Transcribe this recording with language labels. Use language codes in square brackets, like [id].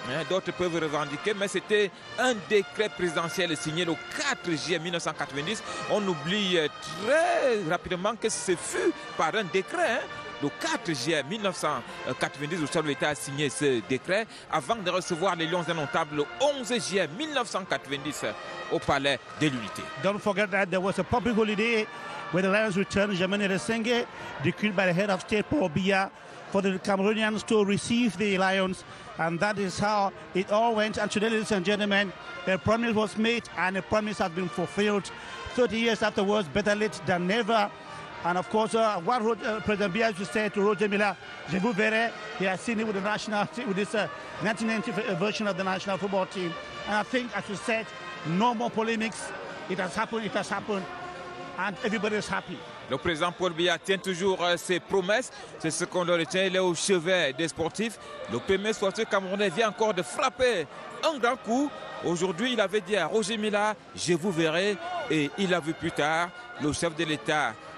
[fr] D'autres peuvent revendiquer, mais c'était un décret présidentiel signé le 4 juillet 1990. On oublie très rapidement que ce fut par un décret. Hein. Le 4 juillet 1990, le chef de l'État a signé ce décret avant de recevoir les Lions Indomptables le 11 juillet 1990 au Palais de l'Unité. [en] Don't forget that there was a public holiday when the Lions returned. Germaine Lesenge decreed by the head of state Paul Biya for the Cameroonians to receive the Lions, and that is how it all went. And today, ladies and gentlemen, a promise was made and a promise has been fulfilled. 30 years afterwards, better late than never. And of course, what President Biya said to Roger Miller, [fr] je vous verrai, [en] he has seen it with the national team, with this 1990 version of the national football team. And I think, as you said, no more polemics. It has happened. And everybody is happy. [fr] Le président Paul Biya tient toujours ses promesses. C'est ce qu'on le retient. Il est au chevet des sportifs. Le premier sportif camerounais vient encore de frapper un grand coup. Aujourd'hui, il avait dit à Roger Miller, je vous verrai. Et il l'a vu plus tard, le chef de l'État.